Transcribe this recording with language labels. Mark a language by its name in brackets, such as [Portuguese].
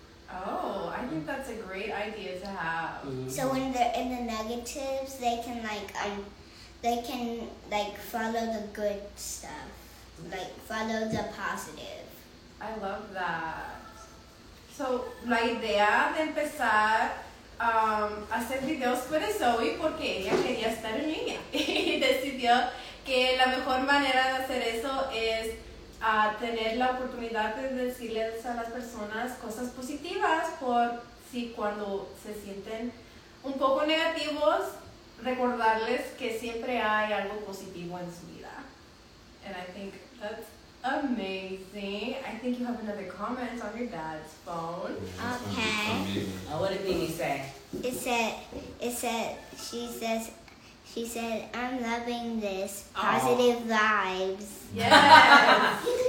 [English] Oh, I think that's a great idea to have. Mm-hmm. So when they're in the negatives, they can follow the good stuff. Like follow the positive. I love that. [Spanish] So la idea de empezar hacer videos con Zoe porque ella quería estar en línea y decidió que la mejor manera de hacer eso es a tener la oportunidad de decirles a las personas cosas positivas por si cuando se sienten un poco negativos, recordarles que siempre hay algo positivo en su vida. [English] And I think that's amazing. I think you have another comment on your dad's phone. Okay. What did Mimi say? She said, I'm loving this. Positive vibes. Yes.